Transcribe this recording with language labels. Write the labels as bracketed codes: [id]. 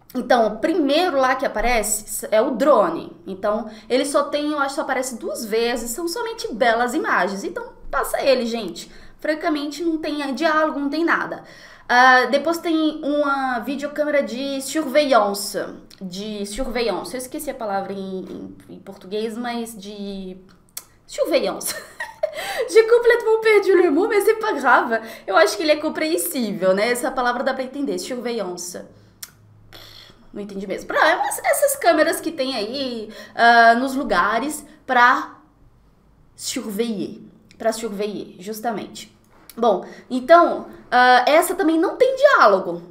[pt] Então, o primeiro lá que aparece é o drone. Então, ele só tem, eu acho, só aparece duas vezes, são somente belas imagens. Então, passa ele, gente. Francamente, não tem diálogo, não tem nada. Depois tem uma videocâmera de surveillance. De surveillance. Eu esqueci a palavra em português, mas de surveillance. [fr] J'ai complètement perdu le mot, mais c'est pas grave. [pt] Eu acho que ele é compreensível, né? Essa palavra dá pra entender. Surveillance. Não entendi mesmo. Pra essas câmeras que tem aí nos lugares pra surveiller. Pra surveiller, justamente. Bom, então, essa também não tem diálogo.